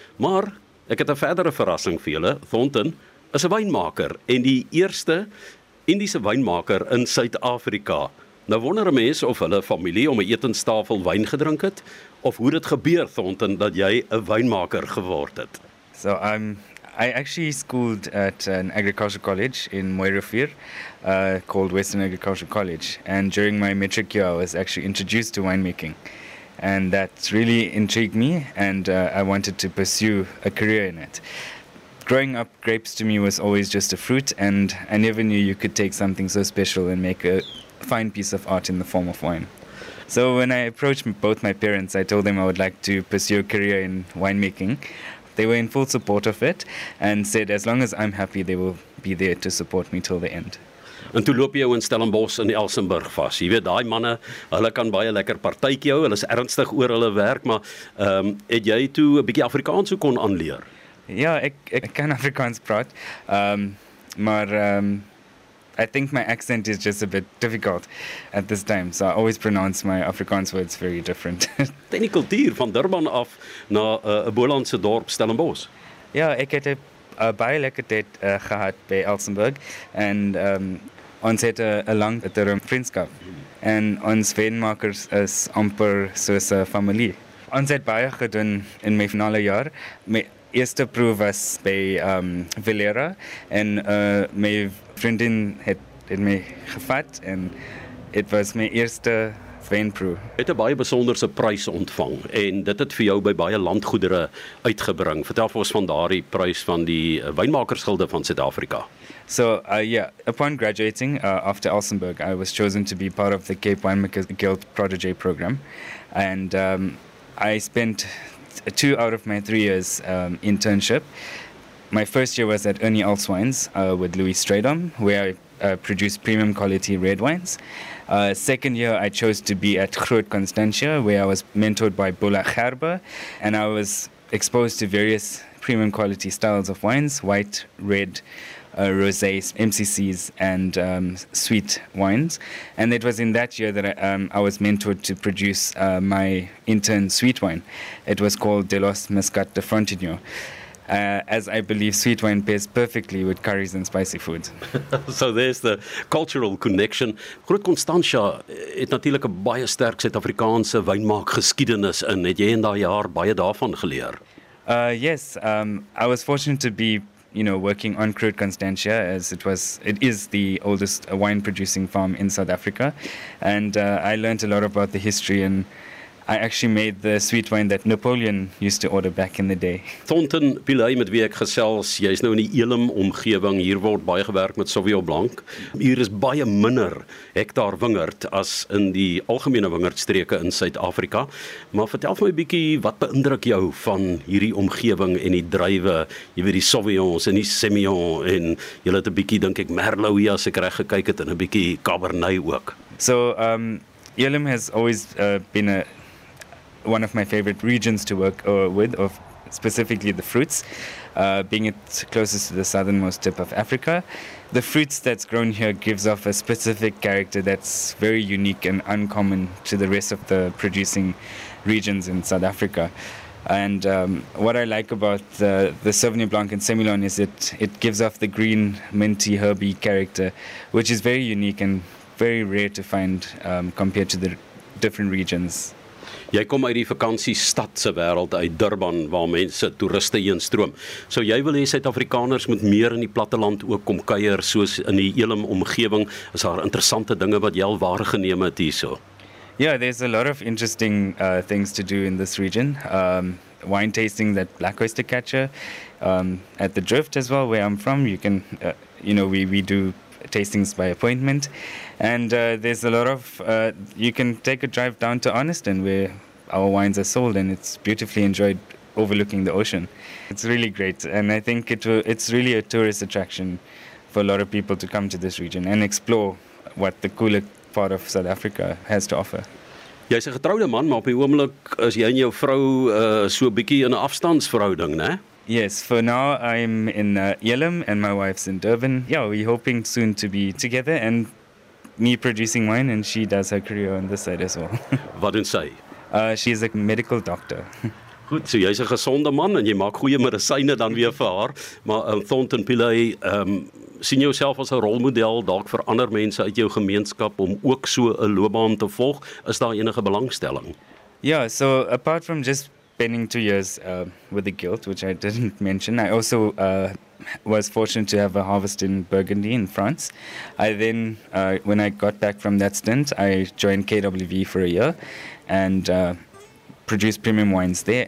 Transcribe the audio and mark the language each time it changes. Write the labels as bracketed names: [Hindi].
[Afrikaans] Maar ek het 'n verdere verrassing vir julle. Thornton is 'n wynmaker en die eerste Indiese wynmaker in Suid-Afrika. Nou wonder 'n mens of hulle familie om 'n etenstafel wyn gedrink het of hoe dit gebeur Thornton dat jy 'n wynmaker geword het. [English] So I actually schooled at an agriculture college in Moirefir called Western Agriculture College, and during my matric year I was actually introduced to winemaking, and that really intrigued me, and I wanted to pursue a career in it. Growing up, grapes to me was always just a fruit, and I never knew you could take something so special and make a fine piece of art in the form of wine. So when I approached both my parents, I told them I would like to pursue a career in winemaking. They were in full support of it and said as long as I'm happy, they will be there to support me till the end. [Afrikaans] En toe loop jy in Stellenbosch in Elsenburg vas. Jy weet, daai manne, hulle kan baie lekker partytjie hou, hulle is ernstig oor hulle werk, maar het jy toe 'n bietjie Afrikaans kon aanleer? Ja, ek kan Afrikaans praat. [English] I think my accent is just a bit difficult at this time, so I always pronounce my Afrikaans words very different. [Afrikaans] Ten kultuur van Durban af na 'n Bolandse dorp Stellenbosch. Ja, ek het 'n baie lekker tyd gehad by Elsenburg, and ons het 'n lang term vriendskap, and ons wynmakers is amper soos 'n familie. Ons het baie gedoen in my finale jaar. Eerste proef was by Valera, en my vriendin het my gevat, en het was my eerste wynproef. Het 'n baie besonderse prys ontvang, en dit het vir jou by baie landgoedere uitgebring. Vertel vir ons van daardie prys van die wynmakersgilde van Suid-Afrika. [English] So, upon graduating after Elsenburg, I was chosen to be part of the Cape Winemakers Guild Protégé Program, and I spent 2 out of my 3 years internship. My first year was at Ernie Els Wines with Louis Stradom, where I produced premium quality red wines. Second year I chose to be at Groot Constantia, where I was mentored by Bulla Gerber, and I was exposed to various premium quality styles of wines, white, red, rosés, MCCs, and sweet wines. And it was in that year that I was mentored to produce my intern sweet wine. It was called De Los Mescat de Frontigno, as I believe sweet wine pairs perfectly with curries and spicy foods. So there's the cultural connection. [Afrikaans] Groot Constantia het natuurlik 'n baie sterk Suid-Afrikaanse wynmaak geskiedenis in. Het jy in daai jaar baie daarvan geleer? [English] I was fortunate to be, you know, working on Groot Constantia, as it is the oldest wine producing farm in South Africa, and I learned a lot about the history, and I actually made the sweet wine that Napoleon used to order back in the day. [Afrikaans] Thornton Pillay, met wie ek gesels, jy is nou in die Elim omgewing. Hier word baie gewerk met Sauvignon Blanc. Hier is baie minder hektaar wingerd as in die algemene wingerdstreke in Suid-Afrika. Maar vertel vir my 'n bietjie, wat beïndruk jou van hierdie omgewing en die druiwe? Jy weet, die Sauvignons en die Semillon, en jy het 'n bietjie, dink ek, Merlot hier as ek reg gekyk het, en 'n bietjie Cabernet ook. [English] So, Elim has always been one of my favorite regions to work with, of specifically the fruits, being it closest to the southernmost tip of Africa. The fruits that's grown here gives off a specific character that's very unique and uncommon to the rest of the producing regions in South Africa. And what I like about the Sauvignon Blanc and Semillon is it gives off the green, minty, herby character, which is very unique and very rare to find compared to the different regions. [Afrikaans] Jy kom uit die vakansiestad se wêreld uit Durban, waar mense toeriste heen stroom. So jy wil hê Suid-Afrikaners moet meer in die platteland ook kom kuier, soos in die Elim omgewing. Is daar interessante dinge wat jy al waargeneem het hierso? [English] Yeah, there's a lot of interesting things to do in this region. Wine tasting, that black oyster catcher, at the Drift as well, where I'm from, you can we do tastings by appointment, and there's a lot of you can take a drive down to Arniston, where our wines are sold, and it's beautifully enjoyed overlooking the ocean. It's really great, and I think it's really a tourist attraction for a lot of people to come to this region and explore what the cooler part of South Africa has to offer. [Afrikaans] Jy's 'n getroude man, maar op die oomblik is jy en jou vrou so 'n bietjie in 'n afstandsverhouding, né? [English] Yes, for now I'm in Elim and my wife's in Durban. Yeah, we're hoping soon to be together and me producing wine and she does her career on this side as well. [Afrikaans] Wat doen sy? [English] She is a medical doctor. [Afrikaans] Goed, so jy's 'n gesonde man en jy maak goeie medisyne dan weer vir haar. Maar Thornton Pillay, sien jouself as 'n rolmodel dalk vir ander mense uit jou gemeenskap om ook so 'n loopbaan te volg? Is daar enige belangstelling? [English] Yeah, so apart from just spending 2 years with the guilt, which I didn't mention, I also was fortunate to have a harvest in Burgundy in France. I then, when I got back from that stint, I joined KWV for a year and produced premium wines there.